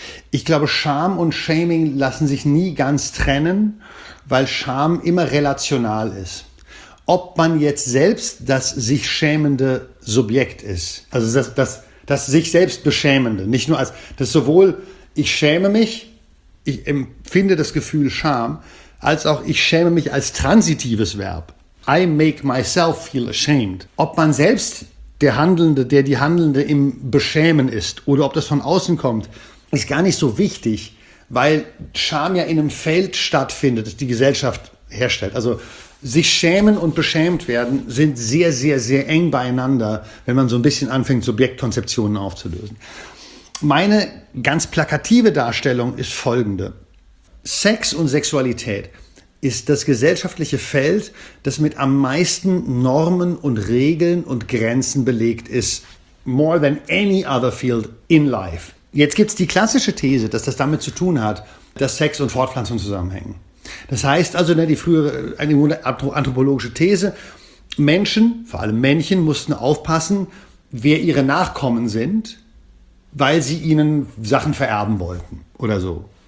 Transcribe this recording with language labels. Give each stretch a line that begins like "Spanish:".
German: Ich glaube, Scham und Shaming lassen sich nie ganz trennen, weil Scham immer relational ist. Ob man jetzt selbst das sich schämende Subjekt ist, also das das sich selbst Beschämende. Nicht nur als, das ist sowohl, ich schäme mich, ich empfinde das Gefühl Scham, als auch ich schäme mich als transitives Verb.
English: I make myself feel ashamed.
German: Ob man selbst der Handelnde, der die Handelnde im Beschämen ist oder ob das von außen kommt, ist gar nicht so wichtig, weil Scham ja in einem Feld stattfindet, das die Gesellschaft herstellt. Also sich schämen und beschämt werden sind sehr, sehr, sehr eng beieinander, wenn man so ein bisschen anfängt, Subjektkonzeptionen aufzulösen. Meine ganz plakative Darstellung ist folgende. Sex und Sexualität ist das gesellschaftliche Feld, das mit am meisten Normen und Regeln und Grenzen belegt ist.
English: More than any other field in life.
German: Jetzt gibt's die klassische These, dass das damit zu tun hat, dass Sex und Fortpflanzung zusammenhängen. Das heißt also, die frühere eine anthropologische These, Menschen, vor allem Männchen, mussten aufpassen, wer ihre Nachkommen sind, weil sie ihnen Sachen vererben wollten oder so.